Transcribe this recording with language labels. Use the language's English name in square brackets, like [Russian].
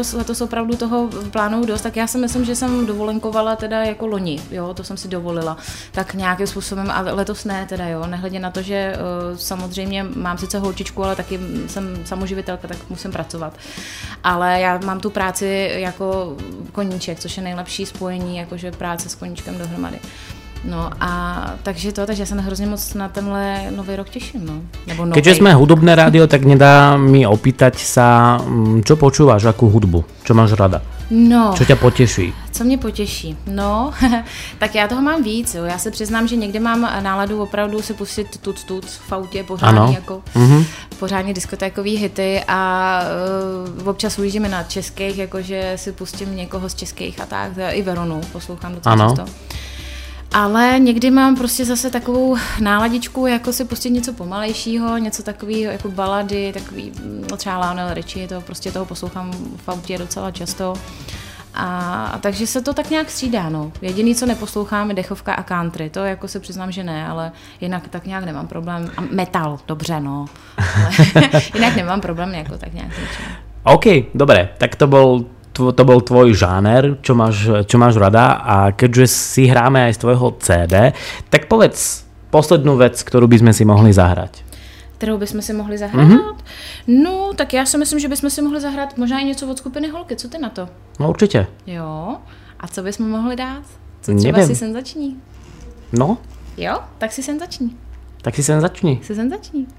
[Czech] Letos opravdu toho plánuju dost, tak já si myslím, že jsem dovolenkovala teda jako loni, jo, to jsem si dovolila, tak nějakým způsobem, a letos ne teda, jo, nehledě na to, že samozřejmě mám sice holčičku, ale taky jsem samoživitelka, tak musím pracovat, ale já mám tu práci jako koníček, což je nejlepší spojení, jakože práce s koníčkem dohromady. No a takže to, takže já se hrozně moc na tenhle nový rok těším, no. Nebo nový. [Slovak] Keďže jsme hudobné rádio, tak nedá mi opýtať sa, čo počúvaš, jakou hudbu, čo máš rada? [Czech] No. [Slovak] Čo ťa poteší? [Czech] Co mě poteší? No, tak já toho mám víc, jo. Já se přiznám, že někde mám náladu opravdu si pustit tuc v autě pořádně, ano, jako mm-hmm, pořádně diskotékový hity a občas ujížíme na českých, jakože si pustím někoho z českých a tak, i Veronu poslouchám docela často. Ale někdy mám prostě zase takovou náladičku, jako si pustit něco pomalejšího, něco takového jako balady, takový třeba Lionel Richie, to prostě toho poslouchám v autě docela často. A takže se to tak nějak střídá, no. Jediný, co neposlouchám, je dechovka a country. To jako se přiznám, že ne, ale jinak tak nějak nemám problém. A metal, dobře, no. Ale jinak nemám problém jako tak nějak. [Slovak] OK, dobré, tak to byl tvoj žáner, čo máš rada, a keďže si hráme aj z tvojho CD, tak povedz poslednú vec, ktorú by sme si mohli zahrať. [Czech] Kterou bychom si mohli zahrát? Mm-hmm. No, tak já si myslím, že bychom si mohli zahrát možná i něco od skupiny Holky. Co ty na to? No určitě. Jo. A co bychom mohli dát? Co třeba nevím. Si senzační? No. Jo, tak si senzační. Tak si senzační. Si senzační.